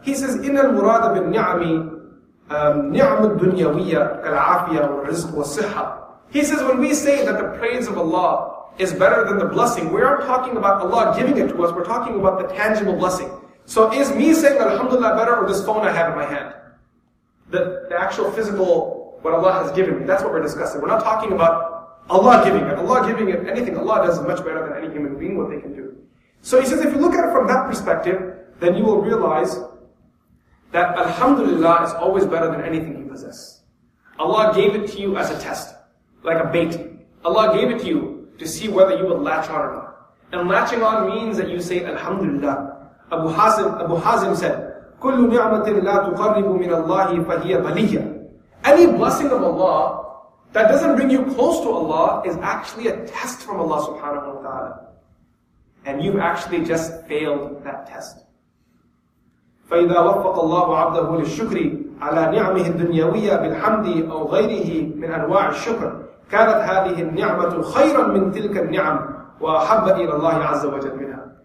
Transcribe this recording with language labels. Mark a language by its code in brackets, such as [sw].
[en] He says, [ar] إِنَّ الْمُرَادَ بِالنِّعَمِ نِعْمُ الدُّنْيَوِيَّ كَالْعَافِيَ وَالرِّزْقُ وَالصِّحَّةِ. [en] He says, when we say that the praise of Allah is better than the blessing, we aren't talking about Allah giving it to us, we're talking about the tangible blessing. So is me saying alhamdulillah better or this phone I have in my hand? The actual physical, what Allah has given me, that's what we're discussing. We're not talking about Allah giving it. Allah giving it anything Allah does is much better than any human being what they can do. So he says, if you look at it from that perspective, then you will realize that alhamdulillah is always better than anything you possess. Allah gave it to you as a test, like a bait. Allah gave it to you to see whether you would latch on or not. And latching on means that you say alhamdulillah. Abu Hazim said, [ar] كُلُّ نِعْمَةٍ لَا تُقَرِّبُ مِنَ اللَّهِ فَهِيَ بَلِيَّ. [en] Any blessing of Allah that doesn't bring you close to Allah is actually a test from Allah subhanahu wa ta'ala. And you've actually just failed that test. [ar] فَإِذَا وَفَّقَ اللَّهُ عَبْدَهُ لِلشُّكْرِ عَلَىٰ نِعْمِهِ الدُّنْيَوِيَّ بِالْحَمْدِ أَوْ غَيْرِهِ مِنْ أَنْوَاعِ الشُّكْرِ كَانَتْ هَذِهِ النِّعْمَةُ خَيْرًا مِنْ تِلْكَ النِّعْمِ وَأَحَبَّ إِلَى اللَّهِ عَزَّ وَجَلَّ مِنْهَا.